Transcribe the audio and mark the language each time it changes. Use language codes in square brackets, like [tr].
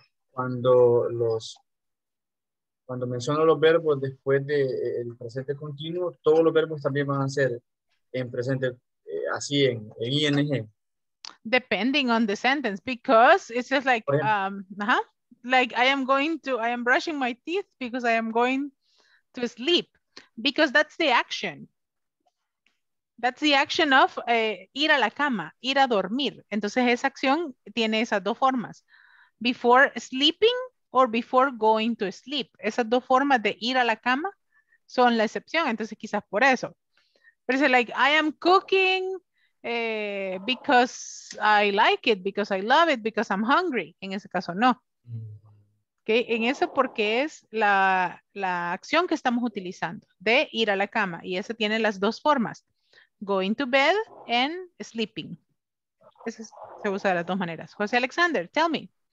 [es] Cuando menciono los verbos después del de presente continuo, todos los verbos también van a ser en presente, así en ING. [en] Depending on the sentence, because it's just like, like I am brushing my teeth because I am going to sleep, because that's the action. That's the action of [es] ir a la cama, ir a dormir. Entonces esa acción tiene esas dos formas. [en] Before sleeping or before going to sleep. [es] Esas dos formas de ir a la cama son la excepción. Entonces quizás por eso. Pero es [en] like, I am cooking because I like it, because I love it, because I'm hungry. [es] En ese caso no. Okay. En eso porque es la acción que estamos utilizando de ir a la cama. Y esa tiene las dos formas. [en] Going to bed and sleeping. [es] Se usa de las dos maneras. José Alexander, [en] tell me.